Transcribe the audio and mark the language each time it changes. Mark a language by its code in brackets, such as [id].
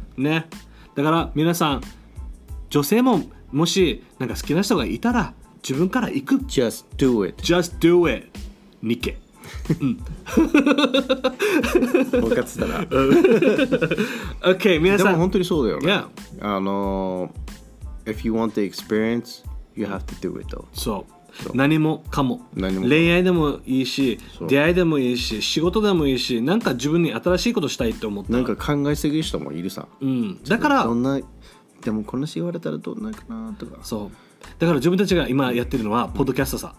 [ja] ね、だから皆さん女性ももしなんか好きな人がいたら自分から行く。 [en] Just do it。 Just do it。 ニケ。 [ja] 分かってたな。 OK、皆さん。でも本当にそうだよね。 [en] Yeah. If you want the experience, you have to do it though。 [ja] そう。何もかも。何も。恋愛でもいいし、出会いでもいいし、仕事でもいいし、なんか自分に新しいことしたいって思った。なんか考えすぎる人もいるさ。うん。だから。どんな、でもこの人言われたらどんなかなとか。そう。だから自分たちが今やってるのはポッドキャストさ、